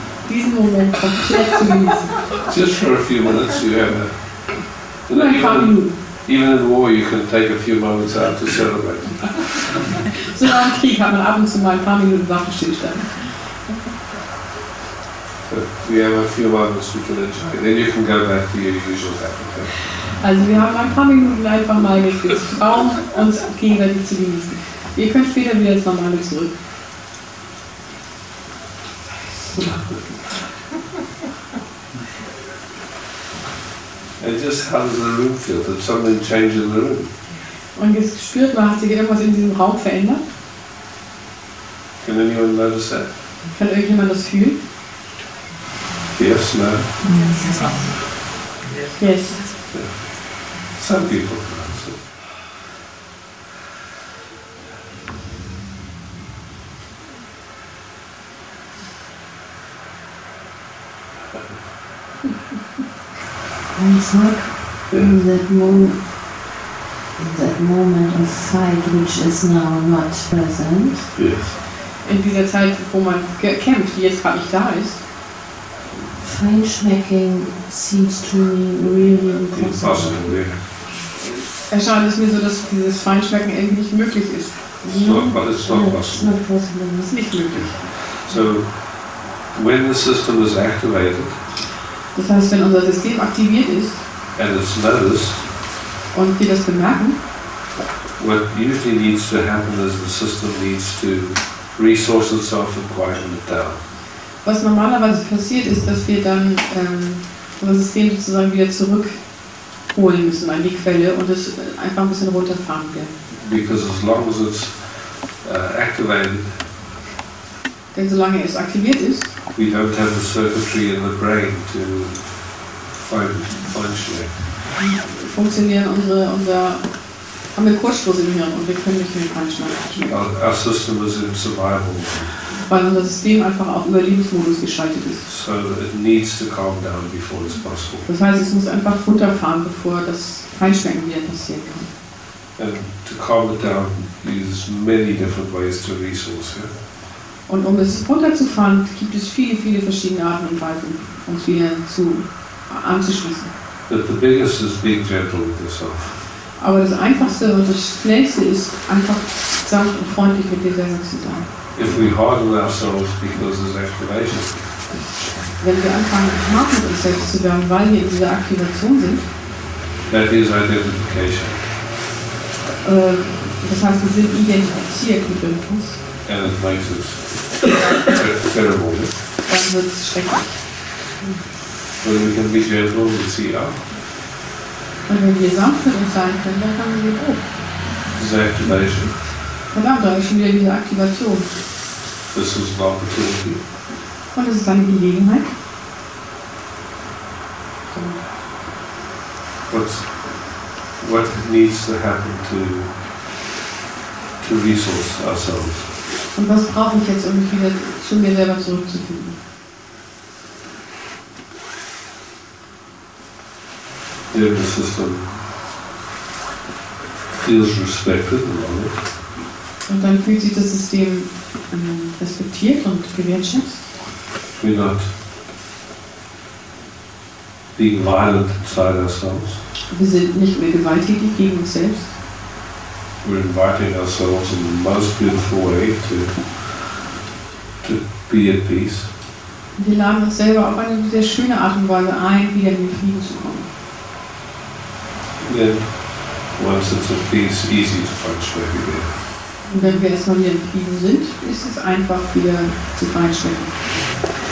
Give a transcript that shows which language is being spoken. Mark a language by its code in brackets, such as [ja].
[de] Diesen Moment komplett zu genießen. [en] Just for a few minutes, you have a. I can't move. Even in war, you can take a few moments out to celebrate. [de] So nach dem Krieg hat man ab und zu mal ein paar Minuten Waffenstillstand. [en] We have a few moments we can enjoy. Then you can go back to your usual habit. [de] Also wir haben ein paar Minuten einfach mal nichts Raum, uns gegenseitig zu genießen. Ihr könnt später wieder ins Normale zurück. [en] And just how does the room feel? Did something change in the room? [de] Und jetzt spürt man, hat sich irgendwas in diesem Raum verändert? [en] Can anyone notice that? [de] Kann irgendjemand das fühlen? [en] Yes, no? Yes. Yes. Yeah. Some people can answer. And it's like in that moment of sight which is now not present. Yes. [de] In dieser Zeit, wo man kämpft, die jetzt gerade nicht da ist. [en] Feinschmecking seems to me really impossible. Impossible, yeah. [de] Erscheint es mir so, dass dieses Feinschmecken irgendwie nicht möglich ist. [en] It's not possible. [de] Es ist nicht möglich. [en] So, when the system is activated, [de] das heißt, wenn unser System aktiviert ist [en] and it's noticed, [de] und wir das bemerken, [en] what usually needs to happen is the system needs to resource itself and quieten it down. [de] Was normalerweise passiert ist, dass wir dann unser System sozusagen wieder zurückholen müssen an die Quelle und es einfach ein bisschen runterfahren will. [en] Because as long as it's activated, [de] denn solange es aktiviert ist, [en] we don't have the circuitry in the brain to function. [de] Funktionieren unsere haben wir Kurzschluss im Hirn und wir können nicht mehr functionieren. [en] Our system is in survival. [de] weil unser System einfach auf Überlebensmodus geschaltet ist. [en] So it needs to calm down before it's possible. [de] Das heißt, es muss einfach runterfahren, bevor das Feinschmecken wieder passieren kann. [en] And to calm it down uses many different ways to resource. Yeah? [de] Und um es runterzufahren, gibt es viele, viele verschiedene Arten und Weisen, uns wieder zu anzuschließen. [en] But the biggest is being gentle with yourself. [de] Aber das Einfachste und das Schnellste ist einfach sanft und freundlich mit dir selber zu sein. [en] If we harden ourselves because there's activation. [de] Wenn wir anfangen, hart mit uns selbst zu werden, weil wir in dieser Aktivation sind, [en] that is identification. [de] Das heißt, wir sind identifiziert mit uns. [en] And it makes us terrible. [de] Dann wird es schrecklich. [en] When we can be gentle, we see out. [de] Und wenn wir sanft mit uns sein können, dann haben wir gut. Diese Aktivation. Verdammt, da habe ich schon wieder diese Aktivation. [en] This is an opportunity. [de] Und es ist eine Gelegenheit. [en] What needs to happen to resource ourselves? [de] Und was brauche ich jetzt, um mich wieder zu mir selber zurückzufinden? [en] If the system feels respected and honored. [de] Und dann fühlt sich das System respektiert und gewertschätzt. [en] We're not being violent inside ourselves. [de] Wir sind nicht mehr gewalttätig gegen uns selbst. [en] We're inviting ourselves in the most beautiful way to be at peace. [de] Wir laden uns selber auf eine sehr schöne Art und Weise ein, wieder in den Frieden zu kommen. [en] Then, once it's at peace, easy to feinschmecken again. [de] Und wenn wir erstmal hier im Frieden sind, ist es einfach, wieder zu feinschmecken.